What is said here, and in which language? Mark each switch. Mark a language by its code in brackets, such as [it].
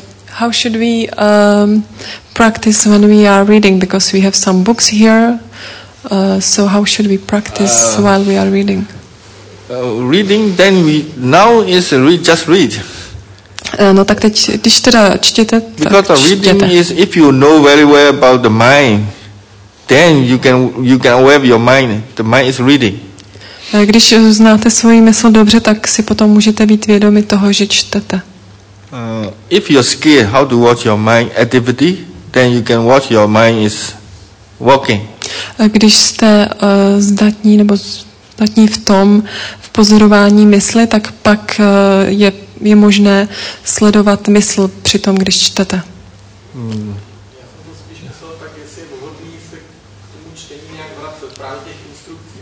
[en] How should we practice when we are reading? Because we have some books here. So how should we practice while we are reading? Reading, then we just read. [cs] No tak teď, když teda čtěte, [en] because [cs] tak [en] reading [cs] čtěte. [en] Is if you know very well about the mind, then you can aware your mind. The mind is reading. [cs] Když znáte svoji mysl dobře, tak si potom můžete být vědomi toho, že čtete. [en] If you're scared how to watch your mind activity, then you can watch your mind is walking. [cs] Když jste zdatní nebo zdatní v tom, v pozorování mysli, tak pak je možné sledovat mysl při tom, když čtete. Já jsem to spíš myslel tak, jestli je vhodný se k tomu čtení nějak vracet, právě těch instrukcí.